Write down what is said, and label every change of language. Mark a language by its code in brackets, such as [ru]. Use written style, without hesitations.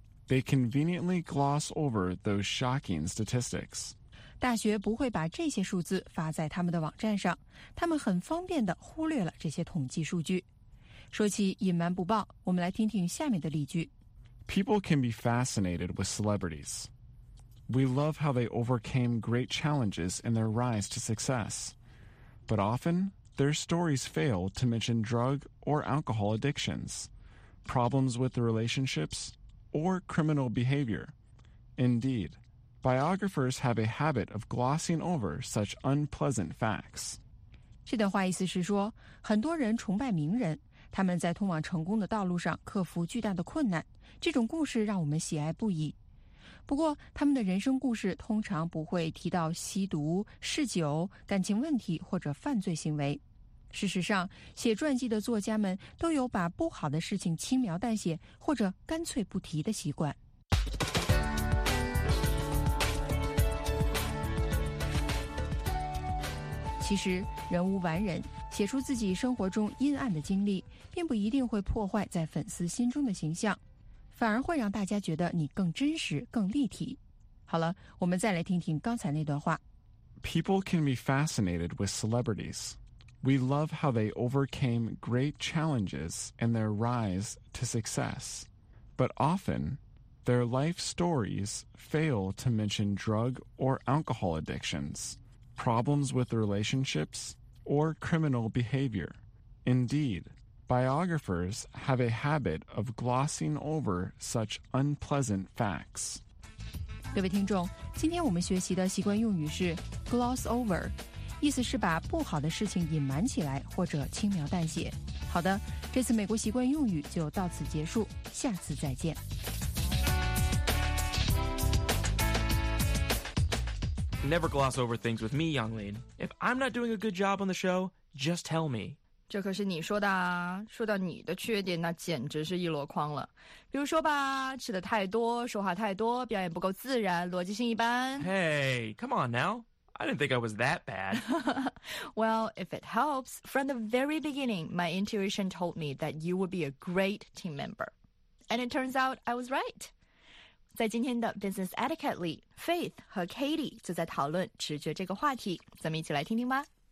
[en] They conveniently gloss over those shocking statistics. [zh] 大学不会把这些数字发在他们的网站上，他们很方便地忽略了这些统计数据。说起隐瞒不报，我们来听听下面的例句。 [en] People can be fascinated with celebrities. We love how they overcame great challenges in their rise to success. But often, their stories fail to mention drug or alcohol addictions, problems with relationships,or criminal behavior. Indeed, biographers have a habit of glossing over such unpleasant facts. [zh] 这段话意思是说，很多人崇拜名人，他们在通往成功的道路上克服巨大的困难，这种故事让我们喜爱不已。不过，他们的人生故事通常不会提到吸毒、嗜酒、感情问题或者犯罪行为。事实上，写传记的作家们都有把不好的事情轻描淡写或者干脆不提的习惯。其实，人无完人，写出自己生活中阴暗的经历，并不一定会破坏在粉丝心中的形象，反而会让大家觉得你更真实、更立体。好了，我们再来听听刚才那段话。 [en] People can be fascinated with celebrities. We love how they overcame great challenges in their rise to success. But often, their life stories fail to mention drug or alcohol addictions. Problems with relationships, or criminal behavior. Indeed, biographers have a habit of glossing over such unpleasant facts. [zh] 各位听众，今天我们学习的习惯用语是 gloss over, 意思是把不好的事情隐瞒起来或者轻描淡写。好的，这次美国习惯用语就到此结束，下次再见。 [en] Never gloss over things with me, Yonglin. If I'm not doing a good job on the show, just tell me. [zh] 这可是你说的啊。说到你的缺点，那简直是一箩筐了。比如说吧，吃的太多，说话太多，表演不够自然，逻辑性一般。 [en] Hey, come on now. I didn't think I was that bad. Well, if it helps, from the very beginning, my intuition told me that you would be a great team member. And it turns out I was right. [zh] 在今天的 Business Etiquette 里 ,Faith 和 Katie 就在讨论直觉这个话题。咱们一起来听听吧。